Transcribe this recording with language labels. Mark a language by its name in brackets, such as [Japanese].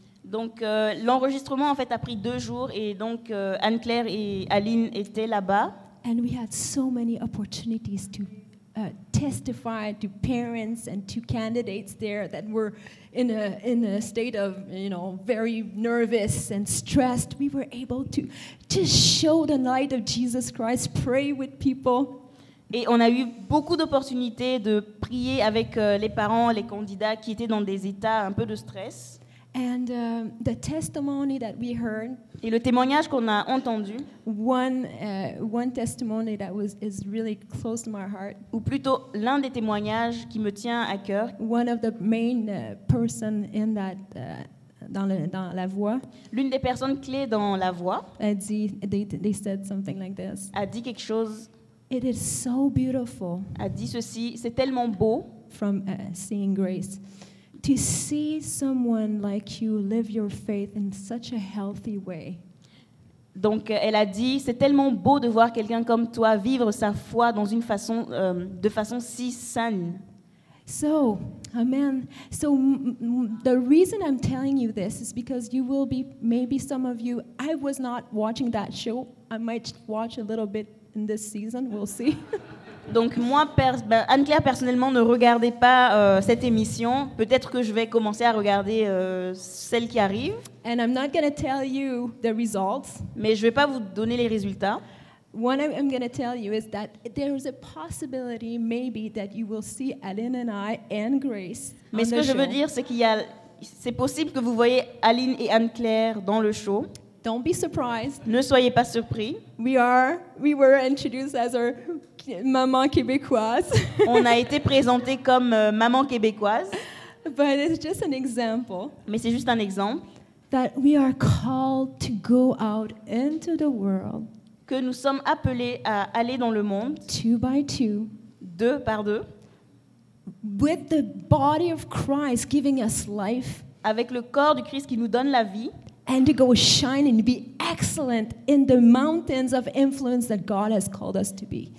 [French] Donc l'enregistrement en fait a pris 2 jours et donc Anne-Claire et Aline étaient là-bas. [English] And we had so many opportunities to testify to parents and to candidates there that were in a state of, you know, very nervous and stressed. We were able to just show the light of Jesus Christ, pray with people. [French] Et on a eu beaucoup d'opportunités de prier avec les parents, les candidats qui étaient dans des états un peu de stress. [English] And the testimony that we heard. [French] Et le témoignage qu'on a entendu. [English] One testimony that is really close to my heart. [French] Ou plutôt l'un des témoignages qui me tient à cœur. [English] One of the main person in that [French] dans la voix. L'une des personnes clés dans la voix. [English] They said something like this. [French] A dit quelque chose. [English] It is so beautiful. [French] A dit ceci. C'est tellement beau. [English] From seeing Grace. To see someone like you live your faith in such a healthy way. [French] Donc elle a dit, c'est tellement beau de voir quelqu'un comme toi vivre sa foi dans une façon de façon si saine. [English] So, amen. So the reason I'm telling you this is because you will be, maybe some of you, I was not watching that show. I might watch a little bit in this season, we'll see. [French] Donc moi, Anne-Claire, personnellement, ne regardez pas cette émission. Peut-être que je vais commencer à regarder celle qui arrive. [English] And I'm not gonna tell you the results. [French] Mais je ne vais pas vous donner les résultats. [English] What I'm gonna tell you is that there is a possibility, maybe, that you will see Aline and I and Grace. [French] Mais ce que je veux dire, c'est qu'il y a, c'est possible que vous voyez Aline et Anne-Claire dans le show. [English] Don't be surprised. [French] Ne soyez pas surpris. [English] We were introduced as our [French] maman québécoise. On a été présenté comme maman québécoise. [English] But it's just an example. [French] Mais c'est juste un exemple. [English] That we are called to go out into the world. [French] Que nous sommes appelés à aller dans le monde. [English] Two by two. [French] Deux par deux. [English] With the body of Christ giving us life. [French] Avec le corps du Christ qui nous donne la vie. [English] And to go shine and be excellent in the mountains of influence that God has called us to be.